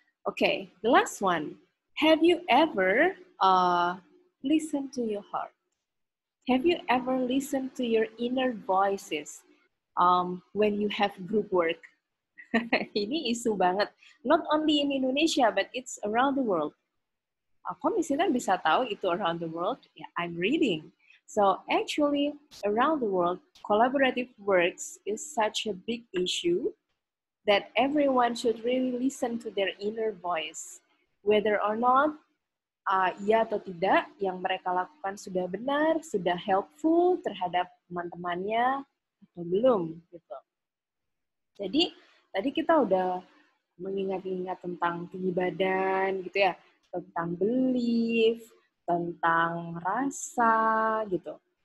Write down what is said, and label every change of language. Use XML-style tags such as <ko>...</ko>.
<en>Okay, the last one. Have you ever listened to your heart? Have you ever listened to your inner voices? When you have group work.</en> <id>Ini isu banget.</id> <en>Not only in Indonesia, but it's around the world.</en> <id>Kok misalnya bisa tahu itu</id> <en>around the world? Yeah, I'm reading. So actually, around the world, collaborative works is such a big issue that everyone should really listen to their inner voice. Whether or not,</en> <id>ya atau tidak, yang mereka lakukan sudah benar, sudah helpful terhadap teman-temannya, belum gitu. Jadi tadi kita udah mengingat-ingat tentang tinggi badan gitu ya, tentang belief, tentang rasa gitu.</id>